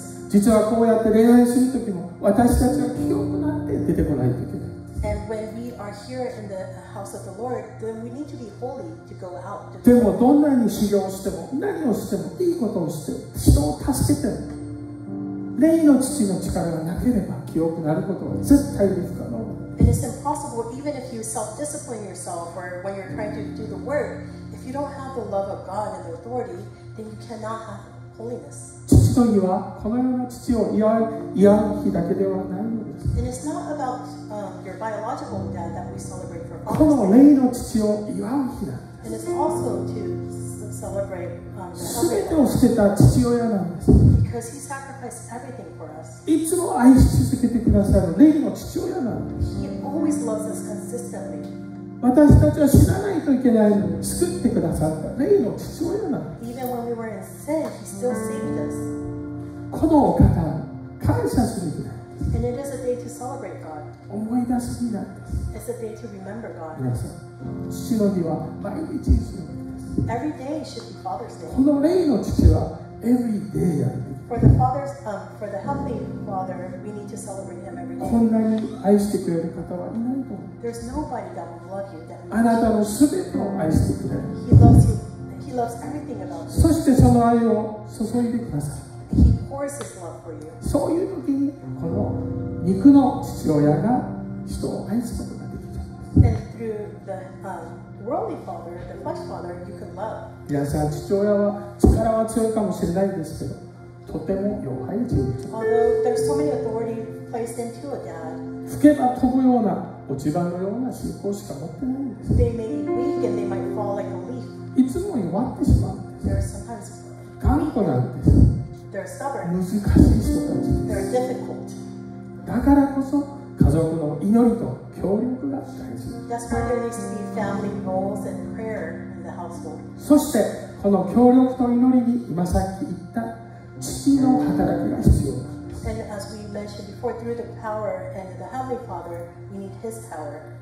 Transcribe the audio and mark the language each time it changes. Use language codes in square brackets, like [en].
[ja] 実はこうやって恋愛するときも私たちが清くなって出てこないといけない。 [en] And when we are here in the house of the Lord, then we need to be holy to go out. [ja] でもどんなに修行しても、何をしても、いいことをして、人を助けても、霊の父の力がなければ、清くなることは絶対に不可能。 [en] And it's impossible, even if you self-discipline yourself, or when you're trying to do the work, if you don't have the love of God and the authority, then you cannot have holiness. [ja] 父の義は、この世の父を祝う日だけではない。 [en] And it's not about your biological dad that we celebrate for Father's Day. And it's also to celebrate Because he sacrificed everything for us. [ja] いつも愛し続けてくださる霊の父親なんです。 [en] He always loves us consistently. [ja] 私たちは死なないといけないのに救ってくださった霊の父親なんです。 [en] Even when we were in sin, he still saved us. [ja] このお方に感謝するぐらい。 [en] And it is a day to celebrate God. [ja] 思い出す日なんです。 [en] It's a day to remember God. [ja] 皆さん、父の日は毎日にするんです。 [en] Every day should be Father's Day. [ja] この霊の父は [en] every day [ja] やる。 [en] For the heavenly Father, we need to celebrate Him every day. [ja] こんなに愛してくれる方はいないと。 [en] There's nobody that will love you that. [ja] あなたのすべてを愛してくれる。 [en] He loves you. He loves everything about you. [ja] そしてその愛を注いでください。 [en] His love for you. [ja] そういう時にこの肉の父親が人を愛することができる。 [en] And through the worldly father, the flesh father, you can love. [ja] 皆さん、父親は力は強いかもしれないですけど、とても弱い人物。 [en] Although there's so many authority placed into a dad. [ja] 吹けば飛ぶような落ち葉のような信仰しか持ってないんです。 [en] They may be weak and they might fall like a leaf. [ja] いつも弱ってしまうんです。 [en] They're sometimes weak. [ja] 頑固なんです。 [en] They're stubborn. They're difficult. [ja] だからこそ家族の祈りと協力が大事。 [en] That's why there needs to be family goals and prayer in the household. [ja] そしてこの協力と祈りに今さっき言った父の働きが必要なんです。 [en] And as we mentioned before, through the power and the Heavenly Father, we need His power.